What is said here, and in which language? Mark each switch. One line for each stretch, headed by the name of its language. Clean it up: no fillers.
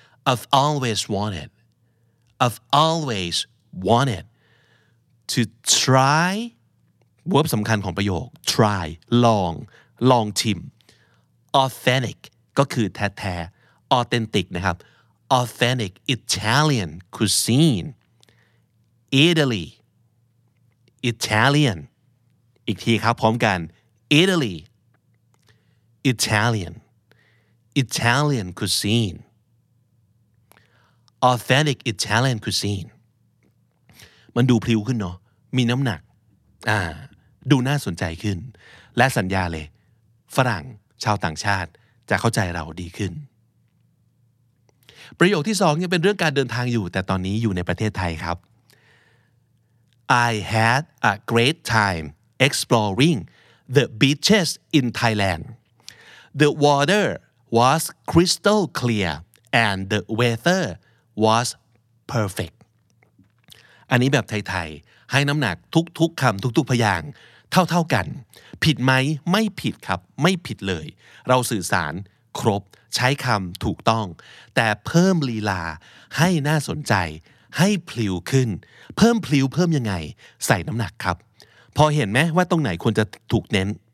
English: I've always wanted to try
Thai: verb สำคัญของประโยค try long chim authentic ก็คือแท้ๆ authentic นะครับ authentic Italian cuisine Italy Italian อีกทีครับพร้อมกัน Italy Italian cuisine authentic Italian cuisine มันดูพลิ้วขึ้นเนาะมีน้ำหนักดูน่าสนใจขึ้นและสัญญาเลยฝรั่งชาวต่างชาติจะเข้าใจเราดีขึ้นประโยคที่สองยังเป็นเรื่องการเดินทางอยู่แต่ตอนนี้อยู่ในประเทศไทยครับ
English: I had a great time exploring the beaches in Thailand. The water was crystal clear and the weather was perfect.
Thai: อันนี้แบบไทยๆให้น้ำหนักทุกๆคำทุกๆพยางค์เท่าๆกันผิดไหมไม่ผิดครับไม่ผิดเลยเราสื่อสารครบใช้คำถูกต้องแต่เพิ่มลีลาให้น่าสนใจให้พลิ้วขึ้นเพิ่มพลิ้วเพิ่มยังไงใส่น้ำหนักครับพอเห็นไหมว่าตรงไหนควรจะถูกเน้น